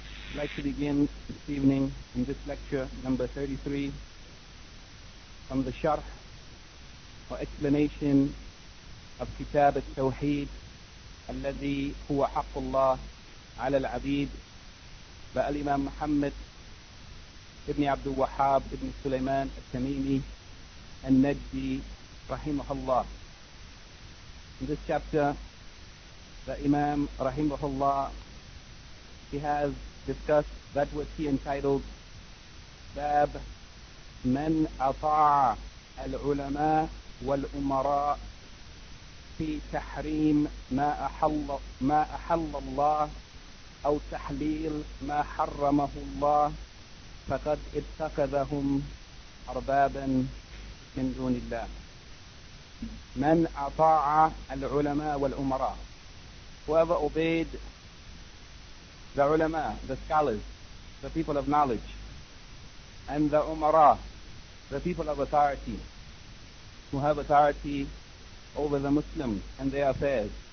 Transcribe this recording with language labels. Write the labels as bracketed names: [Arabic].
[English] I'd like to begin this evening in this lecture number 33 from the sharh or explanation of Kitab al-Tawheed [Arabic] الذي هو حق الله على العبيد بالإمام محمد ابن عبد الوهاب ابن سليمان التميمي النجدي رحمه الله. [English] In this chapter, the Imam [Arabic] رحمه الله, [English] he has discussed that which he entitled [Arabic] باب من أطاع العلماء والأمراء في تحريم ما أحل الله أو تحليل ما حرمه الله فقد اتخذهم أربابا من دون الله. [English] من أطاع العلماء والأمراء, whoever obeyed the ulama, the scholars, the people of knowledge, and the umara, the people of authority, who have authority over the Muslims and their affairs,